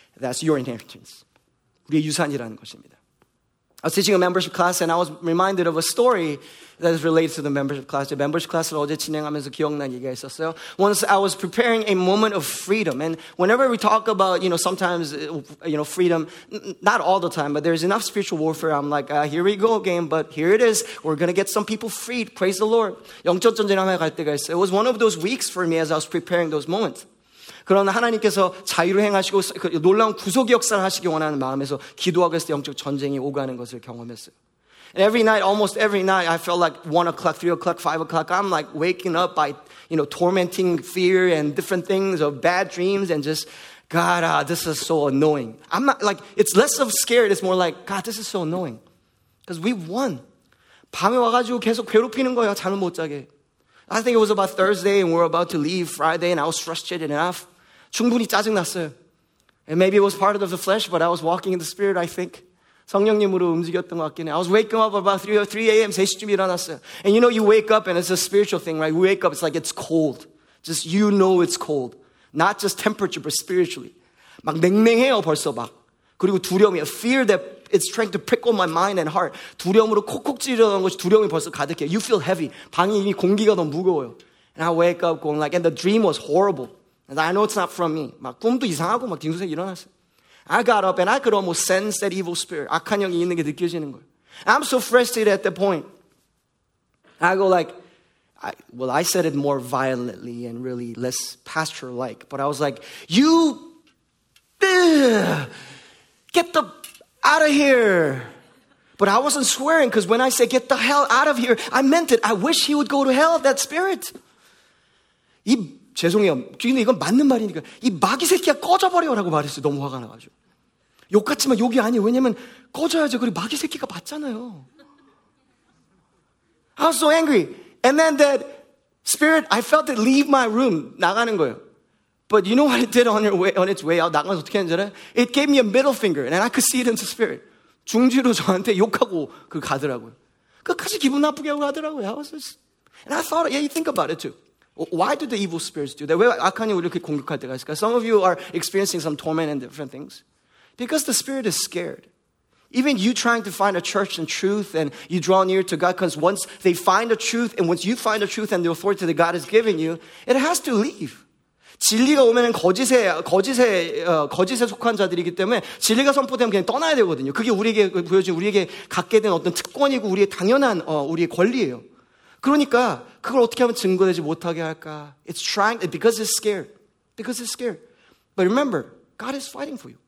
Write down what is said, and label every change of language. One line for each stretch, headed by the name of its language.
English: That's your inheritance.
Korean: 우리의 유산이라는 것입니다.
English: I was teaching a membership class and I was reminded of a story that is related to the membership class. The membership class을
Korean: 어제 진행하면서 기억난 얘기가 있었어요.
English: Once I was preparing a moment of freedom. And whenever we talk about, you know, sometimes, you know, freedom, not all the time, but there's enough spiritual warfare. I'm like, here we go again, but here it is. We're going to get some people freed. Praise the Lord.
Korean: 영적 전쟁함에 갈 때가 있어요.
English: It was one of those weeks for me as I was preparing those moments.
Korean: 그러나 하나님께서 자유로 행하시고 놀라운 구속 역사를 하시기 원하는 마음에서 기도하고 있을 때 영적 전쟁이 오가는 것을 경험했어요.
English: And every night, almost every night, I felt like 1 o'clock, 3 o'clock, 5 o'clock, I'm like waking up by, you know, tormenting fear and different things of bad dreams and just, God, this is so annoying. I'm not, like, it's less of scared, it's more like, God, this is so annoying. Because we won.
Korean: 밤에 와가지고 계속 괴롭히는 거예요, 잠을 못 자게.
English: I think it was about Thursday and we were about to leave Friday and I was frustrated enough.
Korean: 충분히 짜증났어요.
English: And maybe it was part of the flesh, but I was walking in the spirit, I think.
Korean: 성령님으로 움직였던 것 같긴 해.
English: I was waking up about 3 a.m.
Korean: 3시쯤 일어났어요.
English: And you know, you wake up and it's a spiritual thing, right? You wake up, it's like it's cold. Just you know it's cold. Not just temperature, but spiritually.
Korean: 막 냉랭해요, 벌써 막. 그리고 두려움이
English: a fear that it's trying to prickle my mind and heart.
Korean: 두려움으로 콕콕 찌르는 것이 두려움이 벌써 가득해.
English: You feel heavy.
Korean: 방이 이미 공기가 너무 무거워요.
English: And I wake up going like, and the dream was horrible. And I know it's not from me.
Korean: 막 꿈도 이상하고 막 뒹수세 일어났어요.
English: I got up and I could almost sense that evil spirit.
Korean: 악한 영이 있는 게 느껴지는 거예요.
English: I'm so frustrated at that point. I go like, I said it more violently and really less pastor-like, but I was like, you, get the out of here. But I wasn't swearing, because when I said get the hell out of here, I meant it. I wish he would go to hell, that spirit.
Korean: 이, 죄송해요. 주인님, 이건 맞는 말이니까. 이 마귀 새끼야, 꺼져버려라고 말했어요. 너무 화가 나가지고. 욕 같지만 욕이 아니에요. 왜냐면 꺼져야죠. 그리고 마귀 새끼가 맞잖아요.
English: I was so angry. And then that spirit, I felt it leave my room.
Korean: 나가는 거예요.
English: But you know what it did on, your way, on its way out?
Korean: 나가서 어떻게 하는지 알아요?
English: It gave me a middle finger. And I could see it in the spirit.
Korean: 중지로 저한테 욕하고 그 가더라고요. 끝까지 기분 나쁘게 하고 가더라고요.
English: I was just, and I thought, yeah, you think about it too. Why do the evil spirits do that?
Korean: 왜 악한이 우리를 이렇게 공격할 때가 있을까?
English: Some of you are experiencing some torment and different things. Because the spirit is scared. Even you trying to find a church and truth and you draw near to God, because once they find the truth and once you find the truth and the authority that God has given you, it has to leave.
Korean: 진리가 오면은 거짓에 속한 자들이기 때문에 진리가 선포되면 그냥 떠나야 되거든요. 그게 우리에게 보여진 우리에게 갖게 된 어떤 특권이고 우리의 당연한 우리의 권리예요. 그러니까 그걸 어떻게 하면 증거되지 못하게 할까?
English: It's trying because it's scared. Because it's scared. But remember, God is fighting for you.